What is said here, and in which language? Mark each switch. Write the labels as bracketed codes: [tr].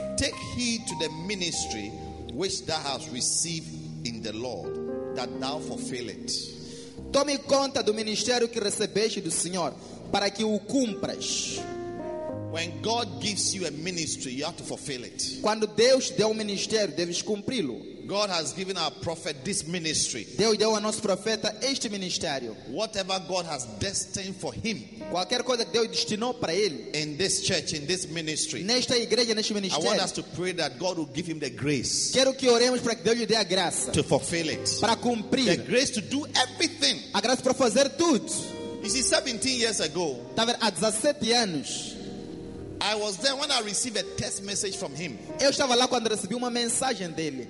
[en] Take heed to the ministry which thou hast received in the Lord, that thou fulfill it. [pt] Tome conta do ministério que recebeste do Senhor, para que o cumpras. [en] When God gives you a ministry, you have to fulfill it. [pt] Quando Deus deu um ministério, deves cumpri-lo. [en] God has given our prophet this ministry. [pt] Deus deu ao nosso profeta este ministério. [en] Whatever God has destined for him. [pt] Qualquer coisa que Deus destinou para ele. [en] In this church, in this ministry. [pt] Nesta igreja, neste ministério. [en] I want us to pray that God will give him the grace. [pt] Quero que oremos para que Deus lhe dê a graça. [en] To fulfill it. [pt] Para cumprir. [en] The grace to do everything. [pt] A graça para fazer tudo. [en] You see, 17 years ago. [pt] Estava há 17 anos. [en] I was there when I received a text message from him. [pt] Eu estava lá quando recebi uma mensagem dele.